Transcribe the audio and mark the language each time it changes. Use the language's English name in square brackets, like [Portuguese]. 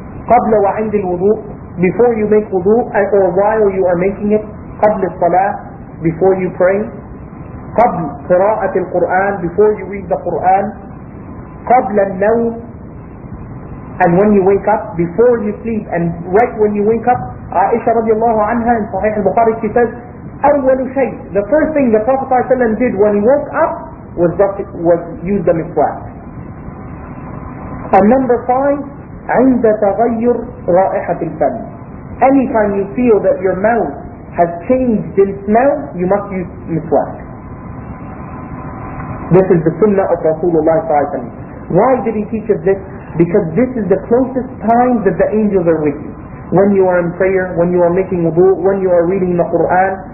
[Arabic] قبل وعند الوضوء, [English] before you make wudu, or while you are making it, [Arabic] قبل الصلاة, [English] before you pray, [Arabic] قبل قراءة القرآن, [English] before you read the Qur'an, [Arabic] قبل النوم, [English] and when you wake up, before you sleep, and right when you wake up. Aisha radiallahu anha in Sahih al-Bukhari, she says, [Arabic] أول شيء, [English] the first thing the Prophet ﷺ did when he woke up was use the miswak. And number 5, [Arabic] عند تغير رائحة الفم. [English] Anytime you feel that your mouth has changed in smell, you must use miswak. This is the sunnah of Rasulullah ﷺ. Why did he teach us this? Because this is the closest time that the angels are with you. When you are in prayer, when you are making wudu, when you are reading the Qur'an.